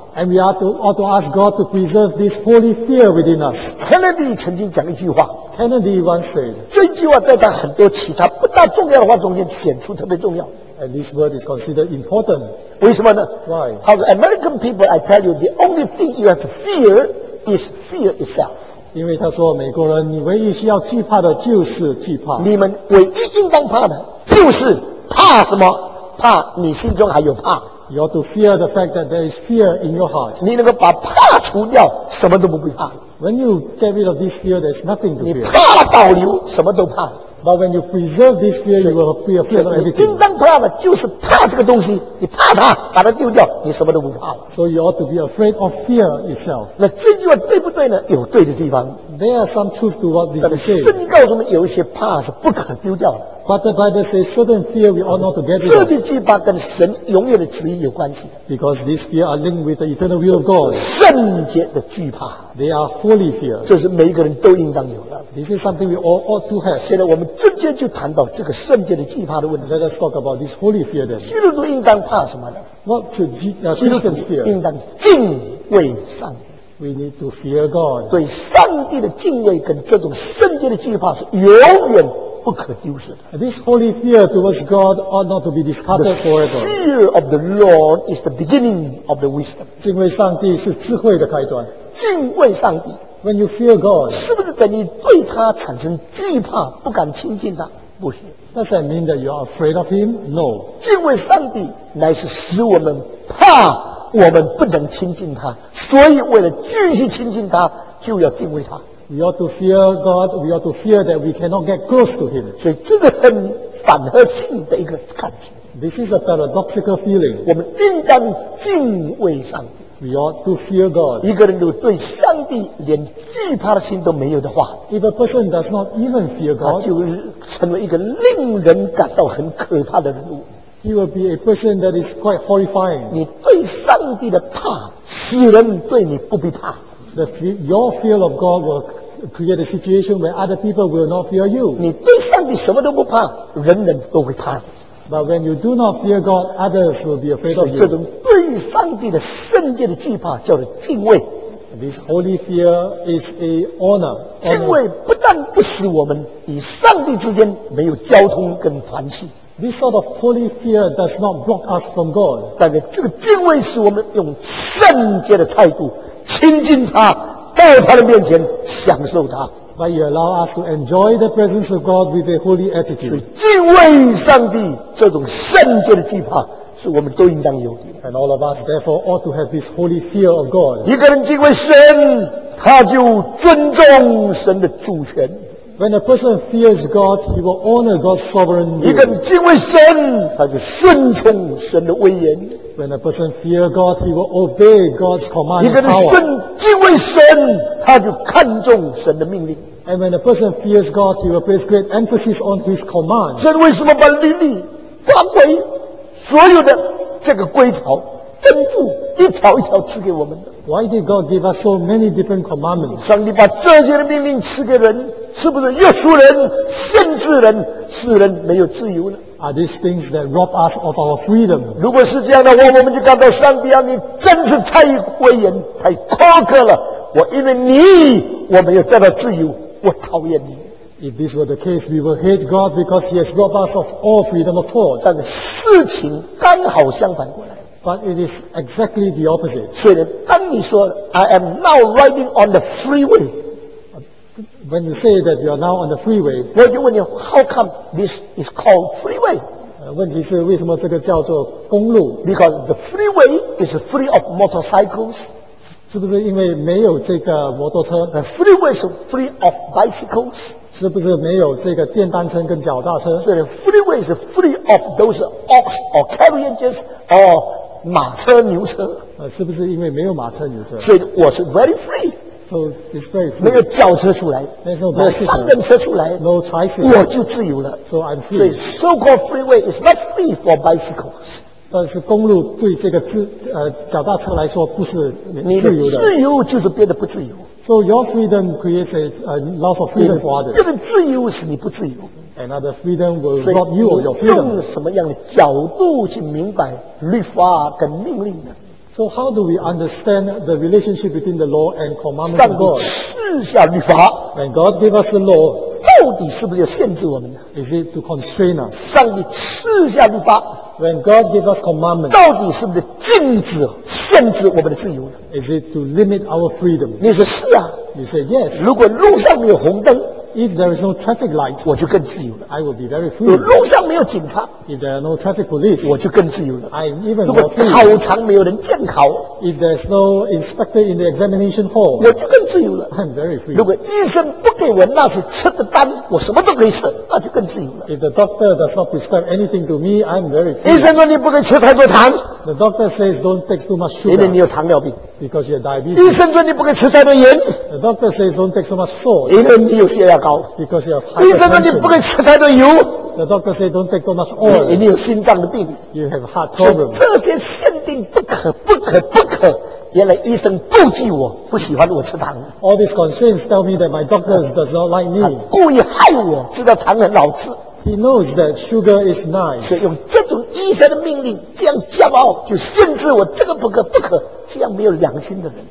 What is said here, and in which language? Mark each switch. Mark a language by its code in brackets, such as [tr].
[en] And we ought to ask God to preserve this holy fear within us. [zh] Kennedy 曾经讲一句话。 [en] Kennedy once said. [zh] 这句话在他很多其他不大重要的话中间显出特别重要。 [en] And this word is considered important. [zh] 为什么呢 [en] ？Why? How the American people, I tell you, the only thing you have to fear is fear itself. [zh] 因为他说美国人，你唯一需要惧怕的就是惧怕。你们唯一应当怕的就是怕什么？怕你心中还有怕。 [en] You ought to fear the fact that there is fear in your heart. [zh] 你能够把怕除掉，什么都不会怕。 [en] When you get rid of this fear, there's nothing to fear. [zh] 你怕保留，什么都怕。 [en] But when you preserve this fear, you will fear of everything. [zh] 你应当怕的就是怕这个东西，你怕它，把它丢掉，你什么都不怕。 [en] So you ought to be afraid of fear itself. [zh] 那这句话对不对呢？有对的地方。 [en] There are some truth to what we say. [zh] 但是圣经告诉我们，有一些怕是不可丢掉的。 [en] But the Bible says certain fear we ought not to get rid of. [zh] 这些惧怕跟神永远的旨意有关系。 [en] Because these fears are linked with the eternal will of God. [zh] 圣洁的惧怕。 [en] They are holy fear. [zh] 这是每一个人都应当有的。 [en] This is something we all ought to have. [zh] 现在我们直接就谈到这个圣洁的惧怕的问题。 [en] Let us talk about this holy fear then. [zh] 基督徒应当怕什么呢 [en] ？What should Christians fear? [zh] 应当敬畏上帝。 [en] We need to fear God. [zh] 对上帝的敬畏跟这种圣洁的惧怕是永远。不可丢失的。 [en] This holy fear towards God ought not to be discarded forever. The fear of the Lord is the beginning of the wisdom. [zh] 敬畏上帝是智慧的开端。敬畏上帝。 [en] When you fear God, [zh] 是不是等于对他产生惧怕，不敢亲近他？不是。 [en] Does that mean that you are afraid of him? No. [zh] 敬畏上帝乃是使我们怕我们不能亲近他，所以为了继续亲近他，就要敬畏他。 [en] We ought to fear God, we ought to fear that we cannot get close to him. [zh] 所以这个很反合性的一个感情。 [en] This is a paradoxical feeling. [zh] 我们应当敬畏上帝。 [en] We ought to fear God. [zh] 一个人如果对上帝连惧怕的心都没有的话， [en] If a person does not even fear God, [zh] 他就成为一个令人感到很可怕的人物。 [en] He will be a person that is quite horrifying. [zh] 你对上帝的怕，使人对你不必怕。 [en] Your fear of God will create a situation where other people will not fear you. [zh] 你对上帝什么都不怕，人人都会怕。 [en] But when you do not fear God, others will be afraid of you. [zh] 这种对上帝的圣洁的惧怕叫做敬畏。 [en] This holy fear is a honor. [zh] 敬畏不但不使我们与上帝之间没有交通跟团契。 [en] This sort of holy fear does not block us from God. [zh] 但是这个敬畏使我们用圣洁的态度亲近他，到他的面前享受他。 [en] But you allow us to enjoy the presence of God with a holy attitude. [zh] 所以敬畏上帝这种圣洁的惧怕是我们都应当有的。 [en] And all of us therefore ought to have this holy fear of God. [zh] 一个人敬畏神，他就尊重神的主权。 [en] When a person fears God, he will honor God's sovereign will. [zh] 一个人敬畏神，他就顺从神的威严。 [en] When a person fears God, he will obey God's command. [zh] 一个人顺敬畏神，他就看重神的命令。 [en] And when a person fears God, he will place great emphasis on His command. [zh] 神为什么把律例、法规、所有的这个规条、吩咐一条一条赐给我们的？ [en] Why did God give us so many different commandments? [zh] 上帝把这些的命令赐给人，是不是约束人、限制人，使人没有自由呢？ [en] Are these things that rob us of our freedom? [zh] 如果是这样的话，我们就感到上帝啊，你真是太威严、太苛刻了。我因为你，我没有得到自由，我讨厌你。 [en] If this were the case, we would hate God because He has robbed us of all freedom of thought. [zh] 但事情刚好相反过来。 [en] But it is exactly the opposite. [zh] 所以当你说 [en] I am now riding on the freeway, when you say that you are now on the freeway, [zh] 我就问你 [en] how come this is called freeway? [zh] 问题是为什么这个叫做公路？ [en] Because the freeway is free of motorcycles. [zh] 是不是因为没有这个摩托车？ [en] The freeway is free of bicycles. [zh] 是不是没有这个电单车跟脚踏车？ [en] So the freeway is free of those ox or carriages or [zh] 马车牛车，是不是因为没有马车牛车？所以我是 [en] very free， so it's very free， [zh] 没有轿车出来，没有三轮车出来， [en] no choice， [zh] 我就自由了。 [en] So I'm free。 [zh] 所以 [en] so called freeway is not free for bicycles。 [zh] 但是公路对这个脚踏车来说不是自由的。你的自由就是变得不自由。 [en] So your freedom creates a loss of freedom for others。 [zh] 变得自由使你不自由。 [en] Another freedom will rob you of your freedom. [zh] 用什么样的角度去明白律法跟命令呢？ [en] So how do we understand the relationship between the law and commandment of God? [zh] 上帝赐下律法， [en] when God gave us the law, [zh] 到底是不是要限制我们呢？ [en] Is it to constrain us? [zh] 上帝赐下律法， [en] when God gave us commandment, [zh] 到底是不是禁止、限制我们的自由呢？ [en] Is it to limit our freedom? [zh] 你说是啊。 [en] You say yes. [zh] 如果路上没有红灯， [en] If there is no traffic light, [zh] 我就更自由了。 [en] I will be very free. [zh] 路上没有警察， [en] If there are no traffic police, [zh] 我就更自由了。 [en] I am even more free. [zh] 如果考场没有人监考， [en] If there is no inspector in the examination hall, [zh] 我就更自由了。 [en] I am very free. [zh] 如果医生不给我那些吃的单，我什么都可以吃，那就更自由了。 [en] If the doctor does not prescribe anything to me, I am very free. [zh] 医生说你不可以吃太多糖， [en] The doctor says don't take too much sugar. [zh] 因为你有糖尿病， [en] Because you have diabetes. [zh] 医生说你不可以吃太多盐， [en] The doctor says don't take so much salt. [zh] 因为你有血压高。 [en] Because you have [zh] 医生说你不可以吃太多油。 [en] The doctor say don't take so much oil. [zh] 你有心脏的病。 [en] You have heart problem. [zh] 这些限定不可不可不可，原来医生妒忌我，不喜欢我吃糖。 [en] All these constraints tell me that my doctor does not like me. [zh] 故意害我，知道糖很好吃。 [en] He knows that sugar is nice. [zh] 所以用这种医生的命令，这样骄傲就限制我这个不可不可，这样没有良心的人。